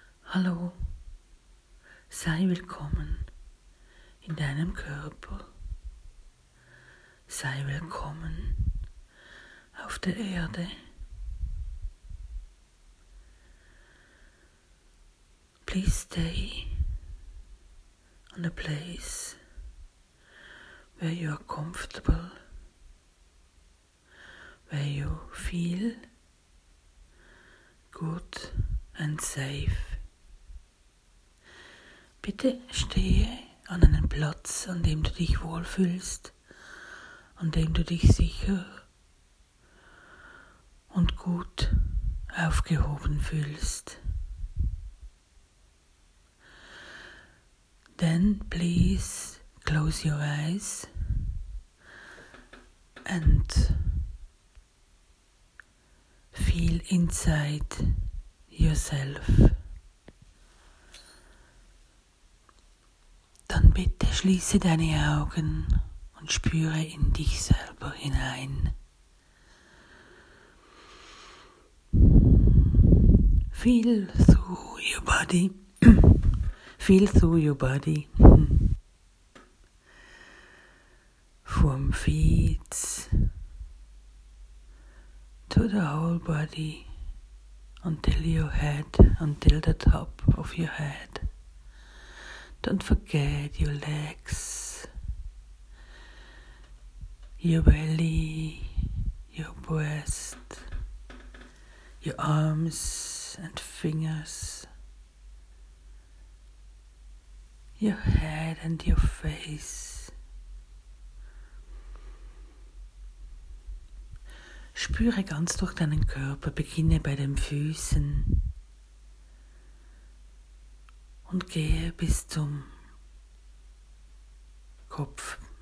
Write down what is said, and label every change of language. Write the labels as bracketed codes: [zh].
[de] Hallo, sei willkommen in deinem Körper, sei willkommen auf der Erde. [en] Please stay on the place where you are comfortable, where you feel good and safe. [de] Bitte stehe an einem Platz, an dem du dich wohlfühlst, an dem du dich sicher und gut aufgehoben fühlst. [en] Then please close your eyes and feel inside yourself. [de] Dann bitte schließe deine Augen und spüre in dich selber hinein. [en] Feel through your body. Feel through your body. From feet to the whole body, until your head, until the top of your head. Don't forget your legs, your belly, your breast, your arms and fingers, your head and your face. [de] Spüre ganz durch deinen Körper, beginne bei den Füßen und gehe bis zum Kopf.